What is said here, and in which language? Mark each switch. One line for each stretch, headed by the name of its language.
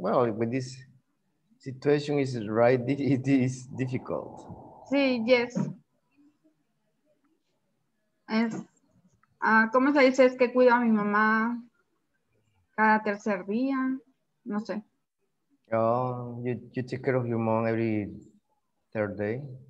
English: Well, with this situation is right, it is difficult.
Spanish: Sí, yes. Es, ¿cómo se dice? Es que cuido a mi mamá cada tercer día, no sé.
English: Oh, you take care of your mom every third day?